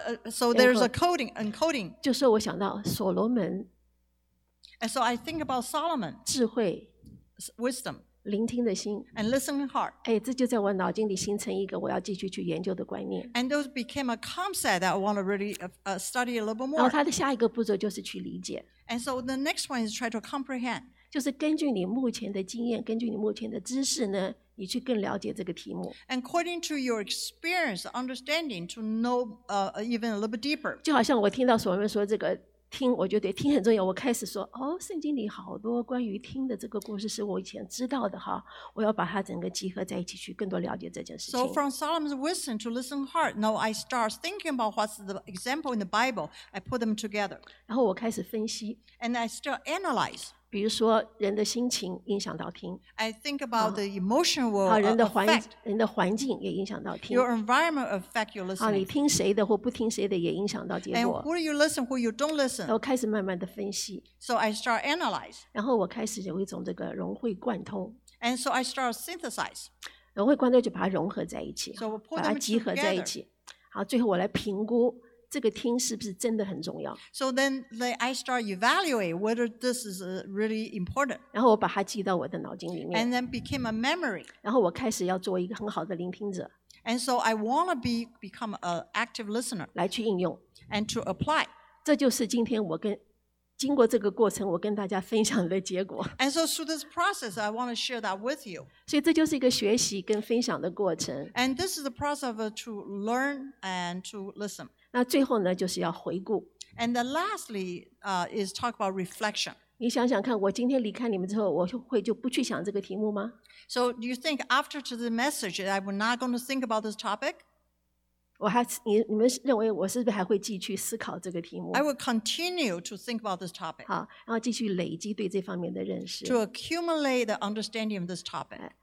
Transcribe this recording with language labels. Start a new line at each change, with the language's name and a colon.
English: So there's a coding, encoding.
Chinese: 就是我想到所罗门。
English: And so I think about Solomon.
Chinese: 智慧。
English: Wisdom.
Chinese: 聆听的心。
English: And listening heart.
Chinese: 哎，这就在我脑筋里形成一个我要继续去研究的观念。
English: And those became a concept that I want to really study a little bit more.
Chinese: 然后它的下一个步骤就是去理解。
English: And so the next one is try to comprehend.
Chinese: 就是根据你目前的经验，根据你目前的知识呢。你去更了解这个题目。
English: And according to your experience, understanding to know even a little bit deeper.
Chinese: 就好像我听到所有人说这个听，我觉得听很重要。我开始说，哦，圣经里好多关于听的这个故事是我以前知道的哈，我要把它整个集合在一起去更多了解这件事情。
English: So from Solomon's wisdom to listen heart, now I start thinking about what's the example in the Bible. I put them together.
Chinese: 然后我开始分析。
English: And I start analyze.
Chinese: 比如说，人的心情影响到听。
English: I think about the emotion will affect.
Chinese: 好，人的环境也影响到听。
English: Your environment affect your listening.
Chinese: 好，你听谁的或不听谁的也影响到结果。
English: And who you listen, who you don't listen.
Chinese: 然后开始慢慢的分析。
English: So I start analyze.
Chinese: 然后我开始有一种这个融会贯通。
English: And so I start synthesize.
Chinese: 融会贯通就把它融合在一起，
English: so、we'll、put
Chinese: 把它集合在一起。好，最后我来评估。这个听是不是真的很重要
English: ？So then I start evaluate whether this is really important.
Chinese: 然后我把它记到我的脑筋里面。
English: And then became a memory.
Chinese: 然后我开始要做一个很好的聆听者。
English: And so I want to become an active listener.
Chinese: 来去应用。
English: And to apply.
Chinese: 这就是今天我跟经过这个过程，我跟大家分享的结果。
English: And so through this process, I want to share that with you.
Chinese: 所以这就是一个学习跟分享的过程。
English: And this is the process of to learn and to listen.
Chinese: 那最后呢，就是要回顾。
English: And then lastly, is talk about reflection.
Chinese: 你想想看，我今天离开你们之后，我会就不去想这个题目吗
English: ？So do you think after the message, I'm not going to think about this topic?
Chinese: 我还你们认为我是不是还会继续思考这个题目
English: ？I will continue to think about this topic.
Chinese: 好，然后继续累积对这方面的认识。
English: To accumulate the understanding of this topic.